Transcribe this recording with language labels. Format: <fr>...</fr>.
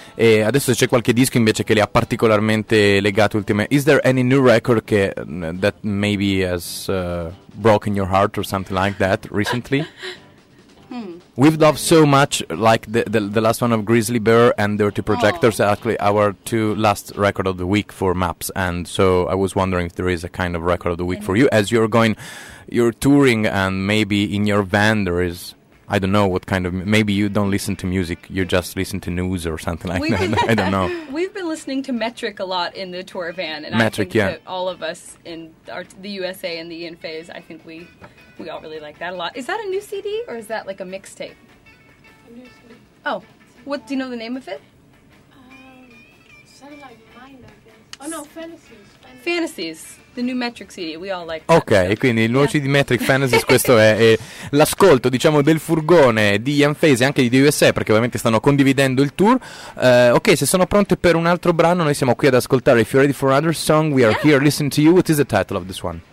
<it>E adesso c'è qualche disco invece che li ha particolarmente legati ultimamente.</it> <en>Is there any new record that maybe has broken your heart or something like that recently? We've loved so much, like the last one of Grizzly Bear and Dirty Projectors, actually our two last record of the week for Maps. And so I was wondering if there is a kind of record of the week for you, as you're touring, and maybe in your van there is, I don't know what kind of, maybe you don't listen to music, you just listen to news or something like that, I don't know. We've been listening to Metric a lot in the tour van, and Metric, I think that all of us in the USA and the Ian Faze, I think we all really like that a lot. Is that a new CD or is that like a mixtape? A new CD. Oh, what, do you know the name of it? Sounds like Mind, I guess. Oh no, Fantasies. Fantasies, the new Metric CD, we all like. Ok, that,</en> <it>so. Quindi il nuovo CD Metric Fantasies, questo è l'ascolto, diciamo, del furgone di Ian Faze e anche di The USA, perché ovviamente stanno condividendo il tour. Ok, se sono pronte per un altro brano, noi siamo qui ad ascoltare.</it> <en>If you're ready for another song, we are here listening to you. What is the title of this one?</en>